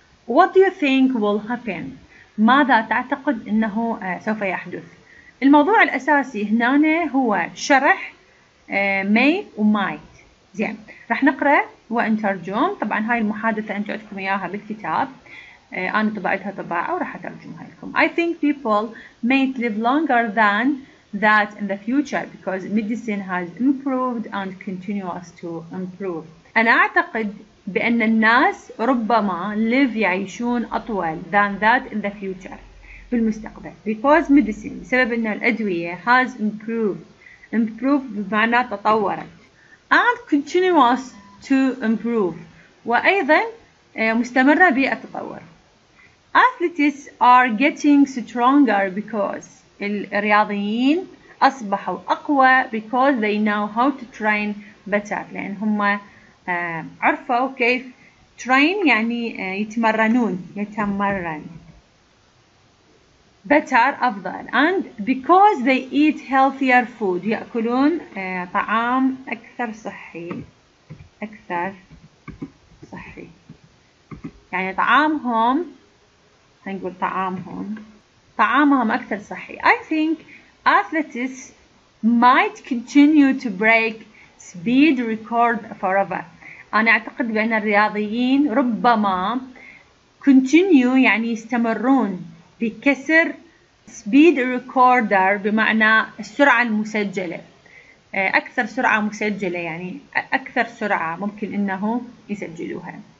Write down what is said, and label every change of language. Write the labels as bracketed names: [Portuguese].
[English] What do you think will happen؟ [Arabic] ماذا تعتقد أنه سوف يحدث؟ الموضوع الأساسي هنا هو شرح may و might. زين، رح نقرأ ونترجم. طبعا هاي المحادثة أنتوا عندكم إياها بالكتاب، أنا طبعتها طباعة ورح أترجمها لكم. [English] I think people may live longer than that in the future because medicine has improved and continues to improve. [Arabic] أنا أعتقد بأن الناس ربما [English] live [Arabic] يعيشون أطول [English] than that in the future [Arabic] بالمستقبل [English] because medicine [Arabic] بسبب أن الأدوية [English] has improved. Improved [Arabic] بمعنى تطورت. [English] And continues to improve [Arabic] وأيضا مستمرة بالتطور. [English] Athletes are getting stronger because [Arabic] الرياضيين أصبحوا أقوى [English] because they know how to train better [Arabic] لأن هم عرفوا كيف [English] train [Arabic] يعني يتمرنون يتمرن [English] better [Arabic] أفضل [English] and because they eat healthier food [Arabic] يأكلون طعام أكثر صحي أكثر صحي يعني طعامهم نقول طعامهم أكثر صحي. [English] I think athletes might continue to break speed record forever. [Arabic] أنا أعتقد بأن الرياضيين ربما [English] continue [Arabic] يعني يستمرون بكسر [English] speed recorder [Arabic] بمعنى السرعة المسجلة أكثر سرعة مسجلة يعني أكثر سرعة ممكن أنه يسجلوها.